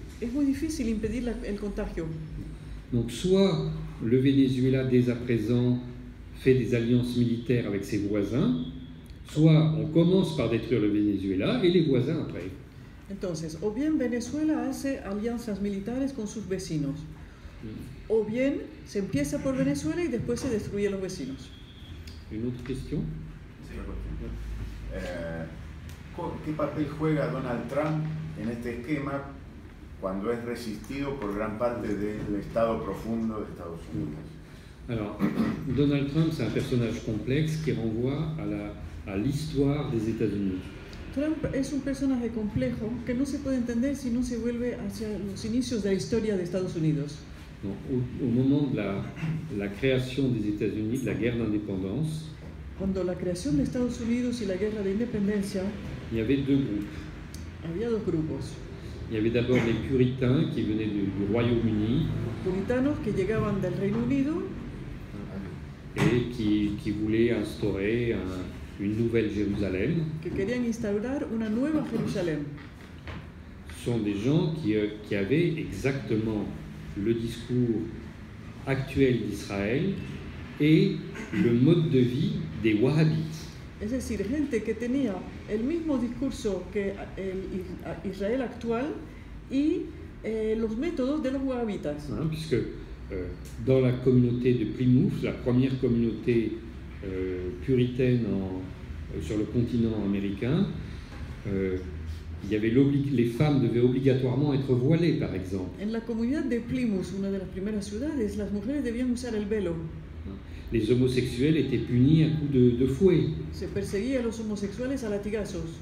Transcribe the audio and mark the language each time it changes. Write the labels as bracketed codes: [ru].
[es] Es muy difícil impedir el contagio. [fr] Donc soit le Venezuela dès à présent fait des alliances militaires avec ses voisins, soit on commence par détruire le Venezuela et les voisins après. [es] Entonces, o bien Venezuela hace alianzas militares con sus vecinos. O bien se empieza por Venezuela y después se destruyen los vecinos. ¿Una otra cuestión? Sí, la cuestión. ¿Qué papel juega Donald Trump en este esquema cuando es resistido por gran parte del Estado profundo de Estados Unidos? [fr] Alors, Donald Trump, c'est un personnage complexe qui renvoie à l'histoire des États-Unis. [es] Trump es un personaje complejo que no se puede entender si no se vuelve hacia los inicios de la historia de Estados Unidos. [fr] Donc, au moment de la création des États-Unis, de la guerre d'indépendance, [es] cuando la creación de Estados Unidos y la guerra de independencia, [fr] il y avait deux groupes. [es] Había dos grupos. [fr] Il y avait d'abord les puritains qui venaient du Royaume-Uni. [es] Puritanos que llegaban del Reino Unido. [fr] Et qui voulaient instaurer une nouvelle Jérusalem. [es] Que querían instaurar una nueva Jerusalén. [fr] Ce sont des gens qui avaient exactement le discours actuel d'Israël et le mode de vie des Wahhabites. [es] Es decir, gente que tenía el mismo discurso que el Israel actual y los métodos de los Wahhabites. [fr] Hein, puisque dans la communauté de Plymouth, la première communauté puritaine sur le continent américain, il y avait les femmes devaient obligatoirement être voilées, par exemple. [es] En la comunidad de Plymouth, una de las primeras ciudades, las mujeres debían usar el velo. [fr] Les homosexuels étaient punis à coups de fouet. [es] Se perseguía a los homosexuales a latigazos.